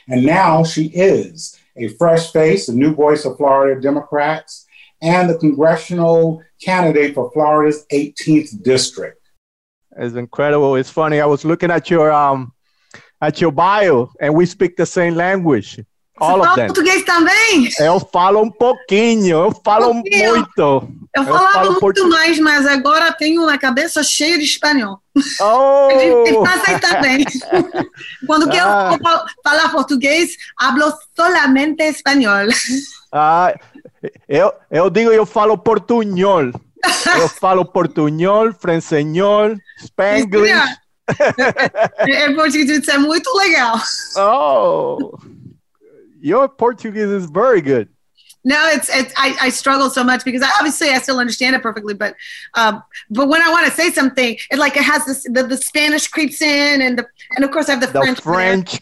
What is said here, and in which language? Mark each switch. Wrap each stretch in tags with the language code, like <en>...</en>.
<en>And now she is a fresh face, a new voice of Florida Democrats, and the congressional candidate for Florida's 18th district. It's incredible. It's funny. I was looking at your bio, and we speak the same language. All of them.</en> <pt>Português também. Eu falo pouquinho. Eu falo muito. Eu falava muito português. Mais, mas agora tenho a cabeça cheia de espanhol. Oh. Exatamente. Quando quero falar português,</pt> <es>hablo solamente</es> <pt>espanhol. Eu digo eu falo portuñol. Eu falo portuñol, francesñol, spanglish. Isso, é português, é muito legal.</pt> <en>Oh, your Portuguese is very good. No, I struggle so much because I still understand it perfectly, but when I want to say something, it like it has this the Spanish creeps in and of course I have the French</en>